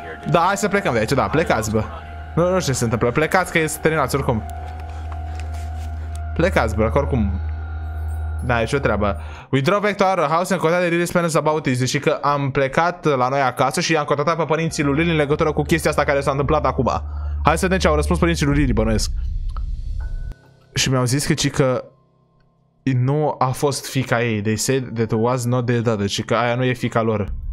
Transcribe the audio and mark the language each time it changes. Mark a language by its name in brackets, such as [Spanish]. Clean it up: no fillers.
[Romanian] Da, hai să plecăm de aici, da, plecați, bă. Nu știu ce se întâmplă, plecați că este terminat, oricum. Plecați, bă, că oricum. Da, e și o treabă. [English] We drove back to our house and contacted Lily's parents about this. [Romanian] Deci că am plecat la noi acasă și i-am contactat pe părinții lui Lily în legătură cu chestia asta care s-a întâmplat acum. Hai să vedem ce au răspuns părinții lui Lily, bănuiesc. Și mi-au zis că cică nu a fost fica ei. [English] They said that was not their daughter. [Romanian] Și că aia nu e fica lor.